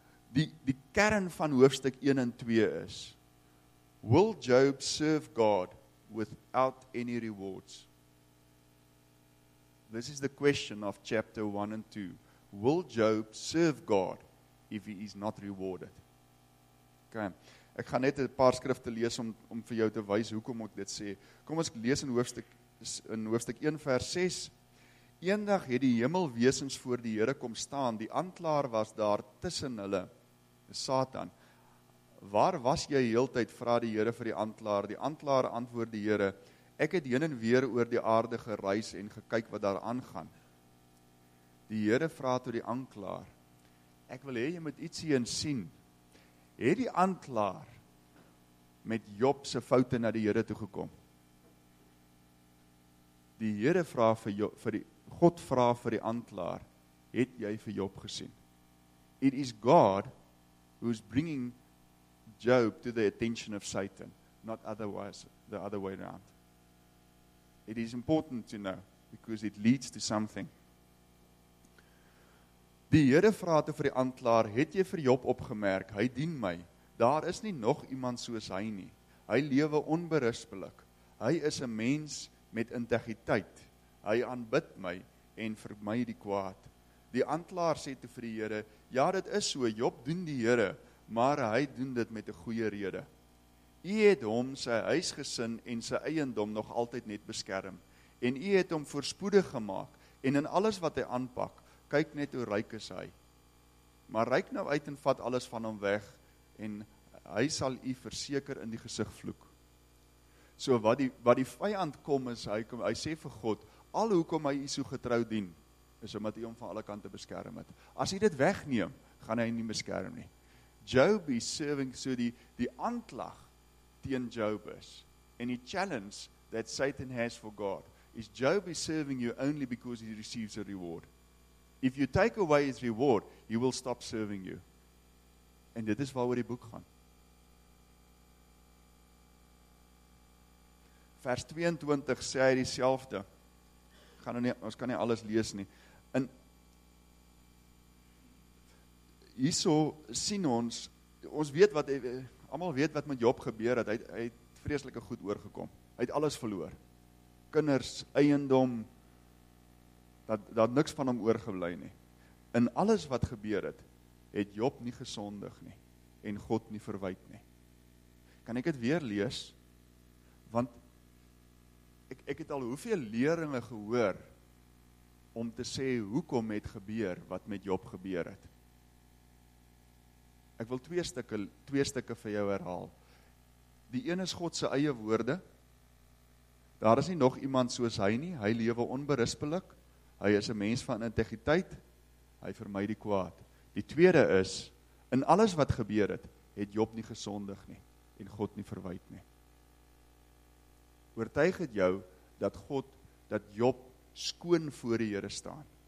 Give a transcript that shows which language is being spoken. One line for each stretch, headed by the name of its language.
Afrikaans: Die kern van hoofstuk 1 en 2 is,
English: will Job serve God without any rewards? This is the question of chapter 1 and 2. Will Job serve God if he is not rewarded?
Afrikaans: Okay, ek gaan net 'n paar skrifte lees om vir jou te wys hoekom ek dit sê. Kom ons lees in hoofstuk 1 vers 6. Eendag het die hemelwesens voor die Here kom staan. Die aanklaer was daar tussen hulle, Satan. Waar was jy heeltyd, vra die Here vir die aanklaer. Die aanklaer antwoord die Here, ek het heen en weer oor die aarde gereis en gekyk wat daar aangaan. Die Here vra toe die aanklaer, ek wil hê jy moet iets hierin sien. Het die aanklaer met Job se foute na die Here toe gekom? Die Here vra vir Job, God vra vir die aanklaer, het jy vir Job gesien?
English: It is God who's bringing Job to the attention of Satan, not otherwise, the other way around. It is important to know, because it leads to something.
Afrikaans: Die Here vra toe vir die aanklaer, het jy vir Job opgemerk, hy dien my, daar is nie nog iemand soos hy nie, hy lewe onberispelik, hy is 'n mens met integriteit, hy aanbid my en vermy die kwaad. Die aanklaer sê toe vir die Here, ja dit is so, Job dien die Here, maar hy doen dit met 'n goeie rede. U het hom, sy huisgesin en sy eiendom nog altyd net beskerm. En u het hom voorspoedig gemaak. En in alles wat hy aanpak, kyk net hoe ryk is hy. Maar ryk nou uit en vat alles van hom weg. En hy sal u verseker in die gesig vloek. So wat die vyand kom is, hy sê vir God, al hoekom hy u so getrou dien, is omdat u hom van alle kante beskerm het. As u dit wegneem, gaan hy nie beskerm nie.
English: Job is serving,
Afrikaans: so die aanklag teen Job is,
English: and the challenge that Satan has for God is, Job is serving you only because he receives a reward. If you take away his reward, he will stop serving you.
Afrikaans: En dit is waaroor die boek gaan. Vers 22 sê hy dieselfde. Ons kan nie alles lees nie. En hierso sien ons weet wat, almal weet wat met Job gebeur het, hy het vreselike goed oorgekom, hy het alles verloor, kinders, eiendom, dat niks van hom oorgebly nie, en alles wat gebeur het, het Job nie gesondig nie en God nie verwyd nie. Kan ek dit weer lees? Want ek het al hoeveel leringe gehoor om te sê hoekom het gebeur wat met Job gebeur het. Ek wil twee stukke vir jou herhaal. Die een is God se eie woorde. Daar is nie nog iemand soos hy nie. Hy lewe onberispelik. Hy is 'n mens van integriteit. Hy vermy die kwaad. Die tweede is, in alles wat gebeur het, het Job nie gesondig nie en God nie verwyd nie. Oortuig het jou dat God, dat Job skoon voor die Here staan.